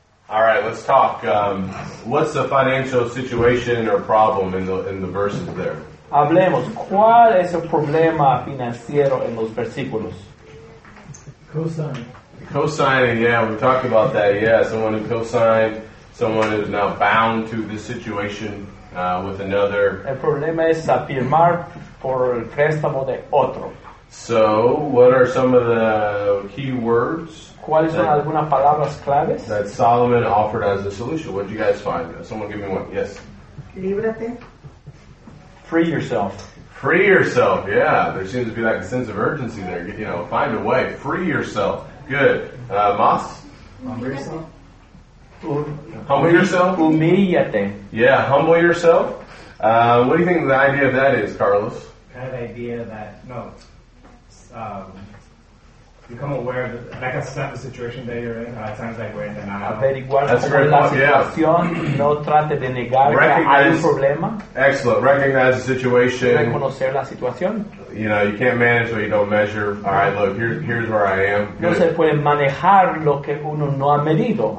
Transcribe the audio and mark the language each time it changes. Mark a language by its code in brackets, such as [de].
[en] Let's talk. What's the financial situation or problem in the verses there? [es] Hablemos, ¿cuál es el problema financiero en los versículos? [en] Cosigning, yeah, we talked about that, yeah. Someone who cosigned, someone who is now bound to this situation with another. [es] El problema es firmar por el préstamo de otro. [en] So, what are some of the key words? [es] ¿Cuáles son algunas palabras claves? [en] That Solomon offered as a solution. What did you guys find? Someone give me one. Yes. [es] Líbrate. [en] Free yourself. Free yourself. Yeah. There seems to be like a sense of urgency there. You know, find a way. Free yourself. Good. [es] Mas? [en] Humble yourself. Humble yourself? [es] Humíllate. [en] Yeah. Humble yourself. What do you think the idea of that is, Carlos? Kind of idea that, no, become aware of the, like, accept the situation that you're in. At times, like, we're in denial. [es] Averiguar cómo la situación. No trate de negar que hay un problema. [en] Excellent. Recognize the situation. [es] Reconocer la situación. [en] You know, you can't manage what you don't measure. All right, look, here's where I am. [es] No se puede manejar lo que uno no ha medido.